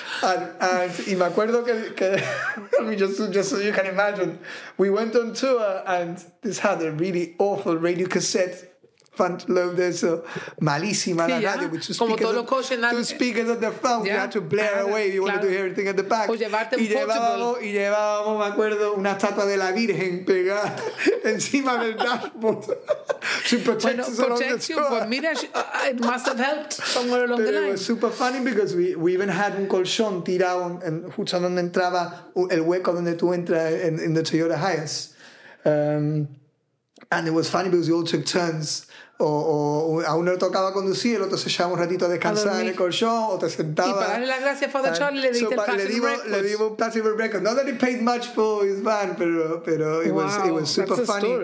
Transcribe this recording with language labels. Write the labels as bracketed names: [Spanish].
[English] And [Spanish] y me acuerdo que [English] just so you can imagine, we went on tour and this had a really awful radio cassette. Front load, there's a [Spanish] malísima la radio, [English] which is two speakers at the front. Yeah. We had to blare away if you wanted to hear everything at the back. [Spanish] Y llevábamos, me acuerdo, una estatua de la Virgen pegada encima del dashboard. [English] To protect you. But mira, it must have helped somewhere along the line. It was super funny because we even had [Spanish] un colchón tirado en justo donde entraba el hueco donde tú entras [English] in the Toyota Hiace. And it was funny because we all took turns. [Spanish] O a uno le tocaba conducir, el otro se echaba un ratito a descansar en el colchón, o te sentaba. Y para darle las gracias a Father Charlie, le diste le dimos un passive record. [English] Not that he paid much for his van, pero it was super funny.